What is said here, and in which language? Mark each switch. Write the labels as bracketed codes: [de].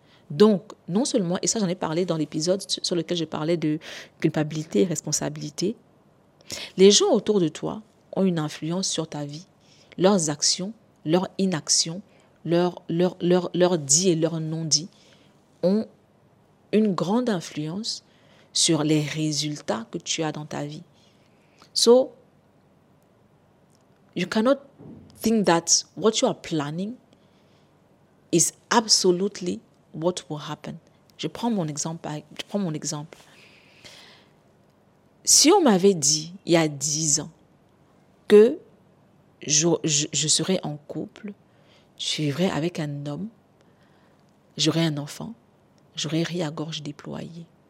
[fr] Donc, non seulement, et ça j'en ai parlé dans l'épisode sur lequel je parlais de culpabilité et responsabilité, les gens autour de toi ont une influence sur ta vie. Leurs actions, leur inaction, leur dit et leur non-dit ont une grande influence sur les résultats que tu as dans ta vie. [en] So, you cannot think that what you are planning is absolutely what will happen. [fr] Je prends mon exemple. Si on m'avait dit il y a 10 ans que je serais en couple, je vivrais avec un homme, j'aurais un enfant, j'aurais ri à gorge déployée.